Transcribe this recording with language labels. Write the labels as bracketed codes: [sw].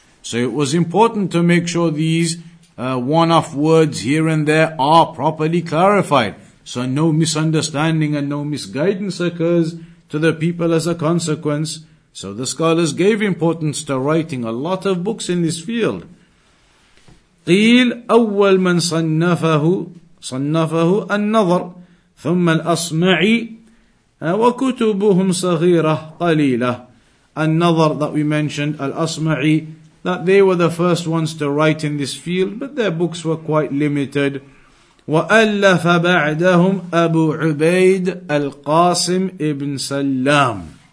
[en] So it was important to make sure these one-off words here and there are properly clarified. so no misunderstanding and no misguidance occurs to the people as a consequence. So the scholars gave importance to writing a lot of books in this field. [ar] قيل أول من صنفه النظر ثم الأصمعي وكتبهم صغيرة قليلة. [en] النظر that we mentioned, الأصمعي, that they were the first ones to write in this field, but their books were quite limited. [ar] وألف بعدهم أبو عبيد القاسم ابن سلام.